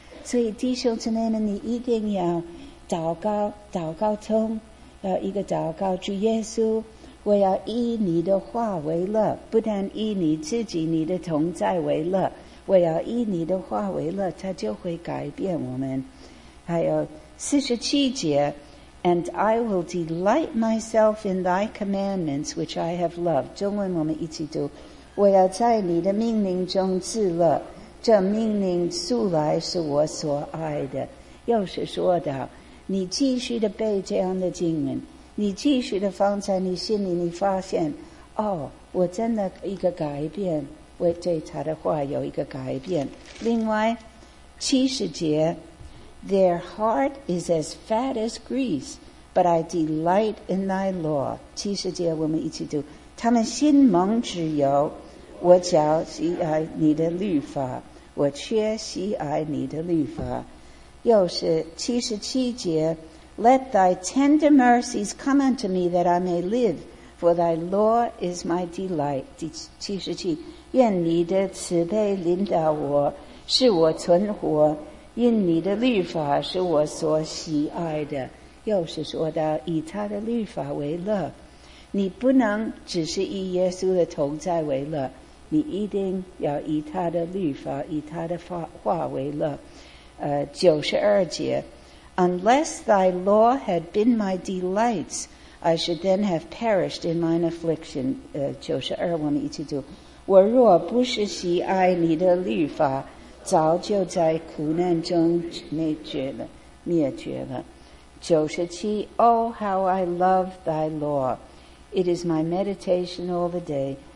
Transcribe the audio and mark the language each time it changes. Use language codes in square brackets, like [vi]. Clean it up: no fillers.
[zh] 所以弟兄姊妹们，你一定要祷告，祷告通，要一个祷告，主耶稣，我要以你的话为乐，不但以你自己你的同在为乐，我要以你的话为乐，它就会改变我们。还有47节， [en] And I will delight myself in thy commandments which I have loved. [zh] 中文我们一起读，我要在你的命令中自乐，这命令素来是我所爱的。又是说到你继续的背这样的经文，你继续的放在你心里，你发现哦，我真的一个改变，我对他的话有一个改变。另外70节， [en] Their heart is as fat as grease, but I delight in thy law. [zh] 70节我们一起读，他们心蒙脂油，我脚喜爱你的律法，我却喜爱你的律法。又是77节， [en] Let thy tender mercies come unto me that I may live, for thy law is my delight. [zh] 77， 愿你的慈悲领导我，使我存活，因你的律法是我所喜爱的。又是说到以他的律法为乐，你不能只是以耶稣的同在为乐，你一定要以他的律法，以他的话为乐。 92节， [en] Unless thy law had been my delights, I should then have perished in mine affliction. [zh] 92，我们一起读，我若不是喜爱你的律法，早就在苦难中灭绝了。 [en] 97， Oh, how I love thy law. It is my meditation all the day.